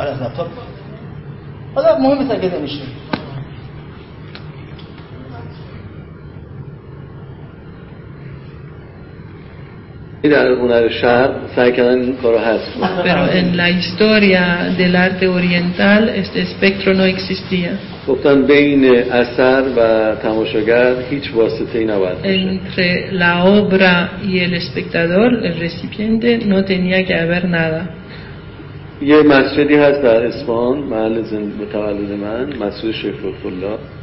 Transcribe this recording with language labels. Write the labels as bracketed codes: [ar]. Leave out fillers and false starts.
[fa] از لپتاپ حالا مهم نیست اگه نمیشه در هنر شهر سعی کردن این کارو حذف کنن. [es] Pero en la historia del arte oriental este espectro no existía. [fa] گفتن بین اثر و تماشاگر هیچ واسطه‌ای نبود. [es] Entre la obra y el espectador, el recipiente no tenía que haber nada. [fa] یه مسجدی هست در اصفهان، محل متولد من، مسجد شیخ فضل‌الله.